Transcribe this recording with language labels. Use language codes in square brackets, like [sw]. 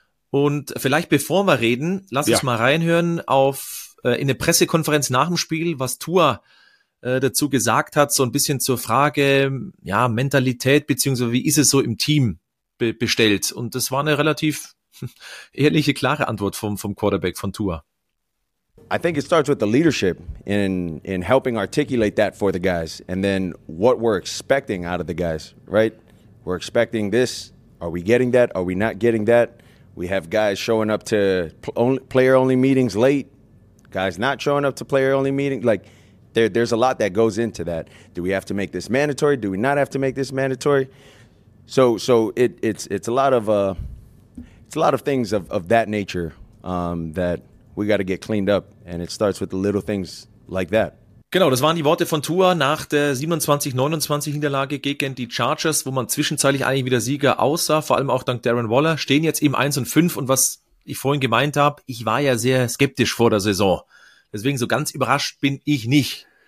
[de] Und vielleicht bevor wir reden, lass uns mal reinhören in eine Pressekonferenz nach dem Spiel, was Tua dazu gesagt hat, so ein bisschen zur Frage, ja, Mentalität, beziehungsweise wie ist es so im Team bestellt? Und das war eine relativ ehrliche, klare Antwort vom Quarterback von Tua. [en] I think it starts with the leadership in helping articulate that for the guys. And then what we're expecting out of the guys, right? We're expecting this. Are we getting that? Are we not getting that? We have guys showing up to player-only meetings late. Guys not showing up to player-only meetings. Like, there's a lot that goes into that. Do we have to make this mandatory? Do we not have to make this mandatory? So it's a lot of things of that nature that we got to get cleaned up. And it starts with the little things like that. [de] Genau, das waren die Worte von Tua nach der 27-29 Niederlage gegen die Chargers, wo man zwischenzeitlich eigentlich wieder Sieger aussah, vor allem auch dank Darren Waller, stehen jetzt eben 1-5. Und was ich vorhin gemeint habe, ich war ja sehr skeptisch vor der Saison. Deswegen so ganz überrascht bin ich nicht.